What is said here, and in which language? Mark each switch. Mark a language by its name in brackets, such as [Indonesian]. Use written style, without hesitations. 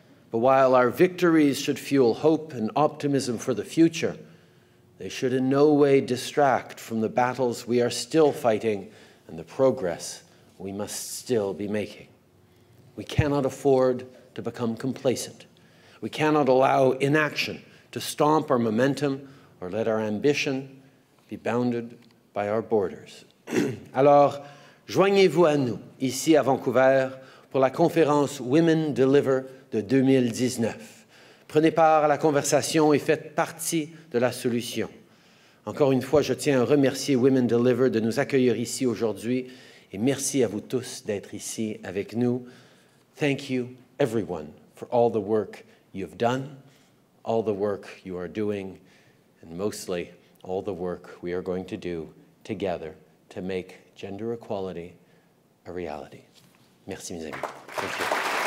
[English] But while our victories should fuel hope and optimism for the future, they should in no way distract from the battles we are still fighting and the progress we must still be making. We cannot afford to become complacent. We cannot allow inaction to stomp our momentum or let our ambition be bounded by our borders. [French] Alors, joignez-vous à nous ici à Vancouver pour la conférence Women Deliver de 2019. Prenez part à la conversation et faites partie de la solution. Encore une fois, je tiens à remercier Women Deliver de nous accueillir ici aujourd'hui et merci à vous tous d'être ici avec nous. [English] Thank you, everyone, for all the work you've done, all the work you are doing, and mostly all the work we are going to do together to make gender equality a reality. [French] Merci, mes amis. [English] Thank you.